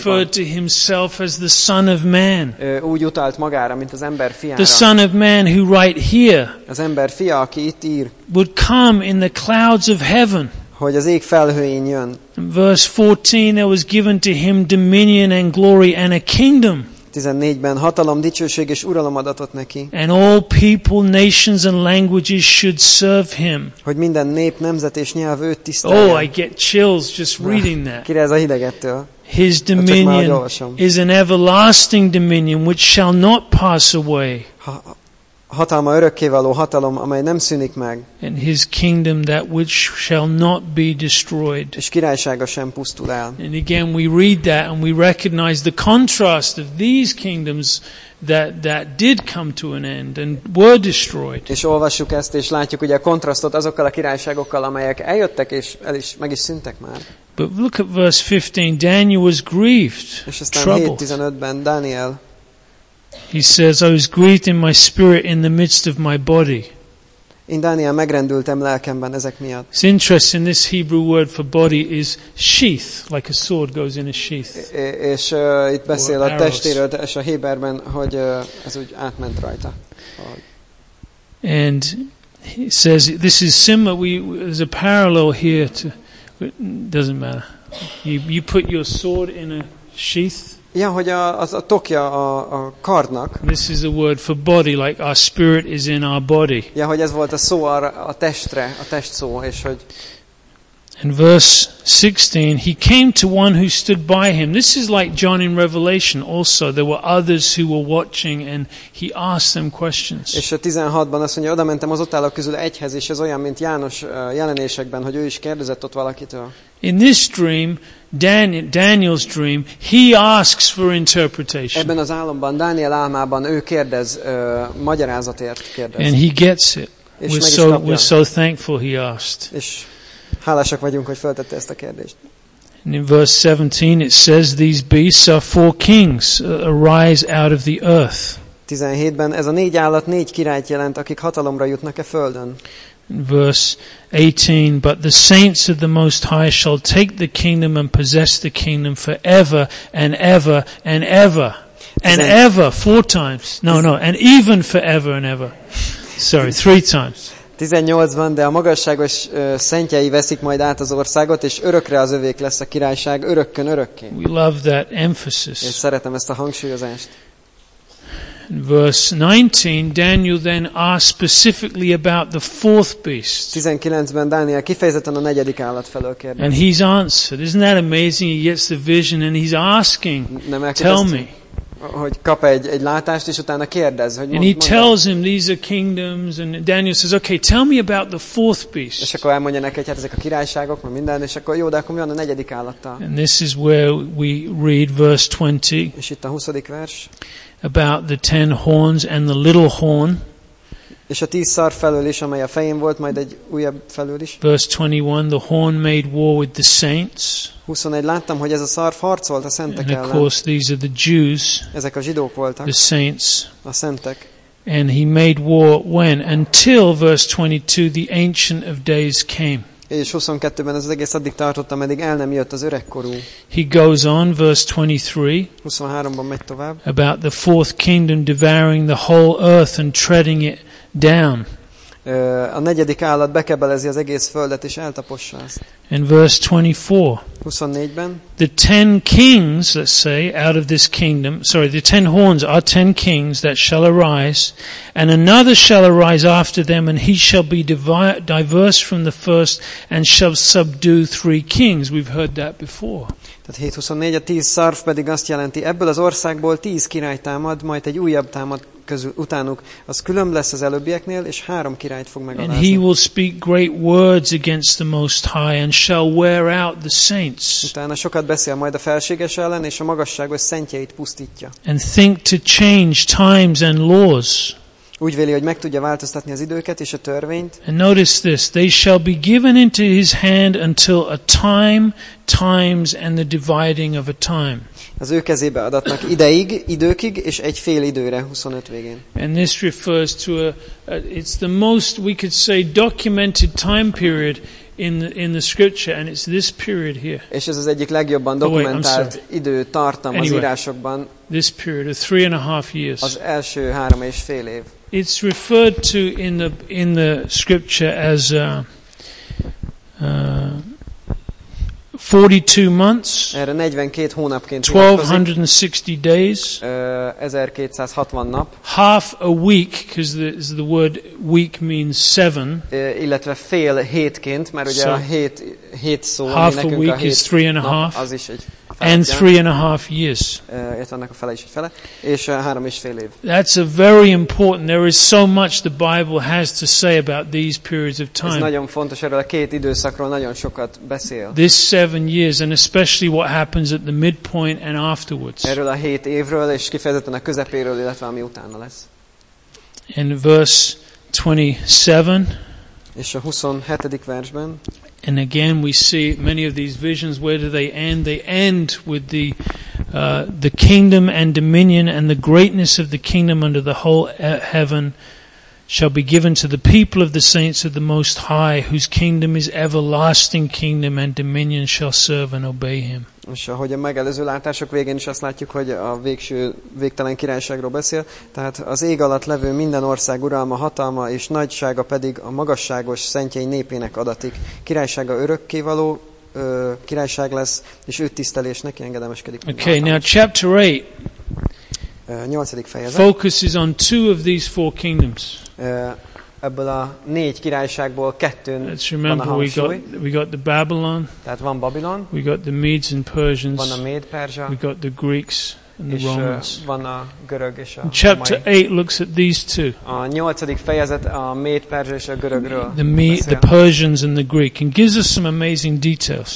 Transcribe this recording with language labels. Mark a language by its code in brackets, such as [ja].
[en] He referred to himself as the Son of Man. [hu] Úgy utalt magára, mint az ember fiára. [en] The Son of Man who right here. [hu] Az ember fia, aki itt ír. [en] Would come in the clouds of heaven. [hu] Hogy az ég felhőjén jön. [en] Verse 14, there was given to him dominion and glory and a kingdom. [hu] 14-ben hatalom, dicsőség és uralom adatott neki. [en] And all people, nations and languages should serve him. [hu] Hogy minden nép, nemzet és nyelv őt tisztelje. [en] Oh, I get chills just reading that. [hu] Kérdez a hidegettől. [en] His dominion is an everlasting dominion which shall not pass away. [hu] Hatalma örökkévaló hatalom, amely nem szűnik meg. [en] And his kingdom that which shall not be destroyed. [hu] És királysága sem pusztul el. [en] And again we read that and we recognize the contrast of these kingdoms that did come to an end and were destroyed. [hu] És olvassuk ezt és látjuk ugye a kontrasztot azokkal a királyságokkal, amelyek eljöttek és el is meg is szűntek már. [en] But look at verse 15, Daniel was grieved. [hu] És aztán 7:15-ben Dániel. [en] He says, I was grieved in my spirit in the midst of my body. [hu] Én Dániel megrendültem lelkemben ezek miatt. [en] It's interesting, this Hebrew word for body is sheath, like a sword goes in a sheath. [hu] És itt beszél a testéről, és a héberben, hogy ez úgy átment rajta. [en] And he says, this is similar, there's a parallel here to, it doesn't matter. You put your sword in a sheath. [hu] Ja, hogy a tokja a kardnak. [en] This is the word for body, like our spirit is in our body. [hu] Ja, hogy ez volt a szó arra, a testre, a test szó, és hogy. [en] In verse 16, he came to one who stood by him. This is like John in Revelation also. There were others who were watching and he asked them questions. [hu] És a 16-ban azt mondja, oda mentem az ott állók közül egyhez, és ez olyan, mint János Jelenésekben, hogy ő is kérdezett ott valakitől. [en] In this dream, Daniel's dream, he asks for interpretation. [hu] Ebben az álomban, Dániel álmában ő kérdez, magyarázatért kérdez. [en] And he gets it. We're so thankful he asked. [hu] És hálásak vagyunk, hogy feltette ezt a kérdést. [en] And in verse 17 it says, these beasts are four kings, arise out of the earth. [hu] 17-ben ez a négy állat négy királyt jelent, akik hatalomra jutnak a földön. [en] Verse 18, but the saints of the Most High shall take the kingdom and possess the kingdom forever and ever and ever and ever, four times. No, and even forever and ever. Sorry, three times. [hu] 18-ban, de a magasságos szentjei veszik majd át az országot, és örökre az övék lesz a királyság, örökkön örökké. [en] We love that emphasis. [hu] Én szeretem ezt a hangsúlyozást. [en] Verse 19, Daniel then asked specifically about the fourth beast. [hu] 19-ben Dániel kifejezetten a negyedik állat felől kérdezi. [en] And he's answered. Isn't that amazing? He gets the vision and he's asking, tell me. [hu] hogy kap egy látást, és utána kérdez, hogy [en] and he tells him these are kingdoms, and Daniel says, okay, tell me about the fourth beast. [hu] És akkor elmondja neki, hogy hát ezek a királyságok, meg minden, és akkor jó, de akkor mi van a negyedik állattal? [en] And this is where we read verse 20. [hu] És itt a 20. vers. [en] About the 10 horns and the little horn. [hu] És a 10 szar felől is, amely a fején volt, majd egy újabb felől is. [en] Verse 21, the horn made war with the saints. [hu] 21, láttam, hogy ez a szarf harcolt a szentek ellen. [en] And of course, these are the Jews. [hu] Ezek a zsidók voltak. [en] The saints. [hu] A szentek. [en] And he made war when? Until, verse 22, the Ancient of Days came. [hu] És 22-ben ez az egész addig tartott, ameddig el nem jött az öregkorú. [en] He goes on, verse 23. [hu] 23-ban megy tovább. [en] About the fourth kingdom devouring the whole earth and treading it down. [hu] A negyedik állat bekebelezi az egész földet és eltapossa azt. [en] In verse 24. [hu] 24-ben. [en] The 10 kings, let's say, out of this kingdom, sorry, the 10 horns are 10 kings that shall arise, and another shall arise after them, and he shall be diverse from the first, and shall subdue 3 kings. We've heard that before. [hu] Tehát 7:24, a 10 szarf pedig azt jelenti, ebből az országból 10 király támad, majd egy újabb támad közül, utánuk. Az külön lesz az előbbieknél, és 3 királyt fog megalázni. [en] And he will speak great words against the Most High, and shall wear out the saints. [hu] Utána sokat beszél majd a felséges ellen, és a magasságos szentjeit pusztítja. [en] And think to change times and laws. [hu] Úgy véli, hogy meg tudja változtatni az időket és a törvényt. [en] And notice this, they shall be given into his hand until a time, times and the dividing of a time. [hu] Az ő kezébe adatnak ideig, időkig és egy fél időre, 25 végén. [en] And this refers to it's the most we could say documented time period in the scripture, and it's this period here. [hu] És ez az egyik legjobban dokumentált időtartam [en] anyway, [hu] az írásokban. [en] This period of 3.5 years. [hu] Az első 3.5 év. [en] It's referred to in the scripture as 42 months. [hu] Erre 42 hónapként. [en] 1260 days. [hu] 1260 nap. [en] Half a week, because the word week means 7. [hu] Illetve fél hétként, mert ugye a hét szó. [en] Half a week is 3.5. [hu] Az is egy. [en] And 3.5 years. That's a very important. There is so much the Bible has to say about these periods of time. [hu] Ez nagyon fontos, erről a két időszakról nagyon sokat beszél. [en] This 7 years, and especially what happens at the midpoint and afterwards. [hu] Erről a hét évről, és kifejezetten a közepéről, illetve ami utána lesz. [en] In verse 27. [hu] És a 27. versben. [en] And again we see many of these visions, where do they end? They end with the kingdom and dominion and the greatness of the kingdom under the whole heaven shall be given to the people of the saints of the Most High, whose kingdom is everlasting kingdom and dominion shall serve and obey him. [hu] És ahogy a megelőző látások végén is azt látjuk, hogy a végső végtelen királyságról beszél, tehát az ég alatt levő minden ország uralma, hatalma és nagysága pedig a magasságos szentjei népének adatik. Királysága örökké való királyság lesz, és őt tisztelésnek engedelmeskedik. [en] Okay, now chapter 8. [hu] 8. fejezet. [en] Focuses on two of these four kingdoms. [hu] Ebből a négy királyságból kettőn van a hangsúly. [en] We got the Babylon. [hu] Tehát van Babylon. [en] We got the Medes and Persians. [hu] Van a Méd-Perzsa. [en] We got the Greeks and the Romans. [hu] Van a görög és a római. [en] Chapter 8 looks at these two. [hu] A nyolcadik fejezet a Méd-Perzsa és a görögről. [en] The Persians and the Greek, and gives us some amazing details.